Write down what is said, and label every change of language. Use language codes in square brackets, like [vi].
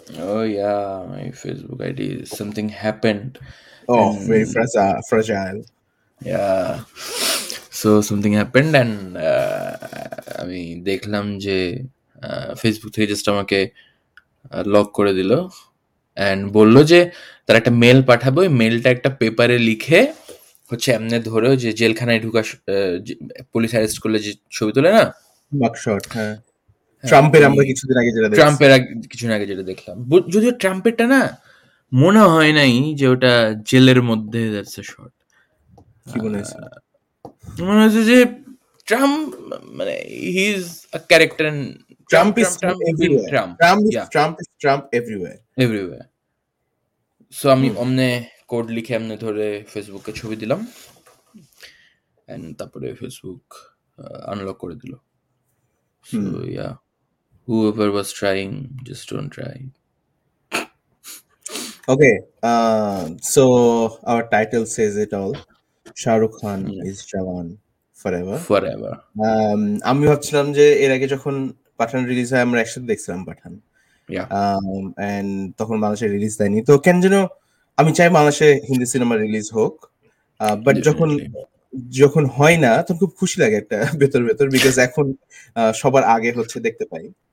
[en] Oh yeah, my Facebook ID is something happened, [bn] O, [en] and very fragile. [bn] yeah, so something happened, and আমি দেখলাম যে Facebook থেকে just আমাকে lock করে দিল, and বললো যে তার একটা মেল পাঠাবো, ওই মেলটা একটা পেপারে লিখে হচ্ছে এমনি ধরে যে জেলখানায় ঢুকা পুলিশ অ্যারেস্ট করলে যে ছবি তোলে না, মাকশট, হ্যাঁ, হ্যাঁ ট্রাম্পের ওই আমরা কিছুদিন আগে যেটা দেখছি, ট্রাম্পের কিছুদিন আগে যেটা দেখলাম, যদিও ট্রাম্পেরটা না মনে হয় নাই যে ওটা জেলের মধ্যে, [en] that's a short, [bn] কি বলেছে, মনে হচ্ছে যে ট্রাম্প মানে [en] He is a character, Trump is Trump Trump in everywhere, Trump, Trump is yeah Trump is Trump everywhere. [bn] Everywhere, so আমি অমনে কোড লিখে এমনি ধরে ফেসবুকে ছবি দিলাম, এন্ড তারপরে ফেসবুক আনলক করে দিল, so yeah [en] Whoever was trying, just don't try. Okay, so our title says it all. Shah Rukh Khan Yeah. is Jawan forever. Forever. [bn] আমি ভাবছিলাম যে এর আগে যখন পাঠান রিলিজ হয় আমরা একসাথে দেখছিলাম পাঠান, [en] Yeah. [bn] এন্ড তখন বাংলাদেশে রিলিজ দেয়নি, তো কেন যেন আমি চাই বাংলাদেশে হিন্দি সিনেমা রিলিজ হোক, বাট যখন [en] Definitely. [bn] যখন হয় না তখন খুব খুশি লাগে একটা ভেতর ভেতর, বিকজ এখন সবার আগে হচ্ছে দেখতে পাই।